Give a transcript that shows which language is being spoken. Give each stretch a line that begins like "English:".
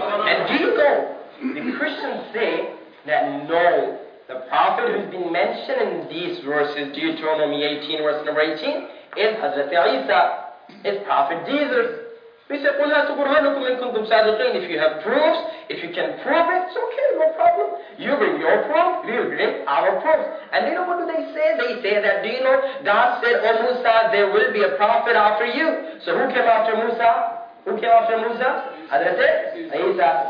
English: And do you know, the Christians say that no, the prophet who's been mentioned in these verses, Deuteronomy 18, verse number 18, is Hazrat Isa, is Prophet Jesus.
Arabic: We say, قُلْ هَاتُوا بُرْهَانَكُمْ إِن كُنْتُمْ صَادِقِينَ.
English: If you have proofs, if you can prove it, it's okay, no problem. You bring your proof, we will bring our proofs. And you know what do they say? They say that, do you know, God said, O Musa, there will be a prophet after you. So who came after Musa? Who came after Musa? Hazrat Isa.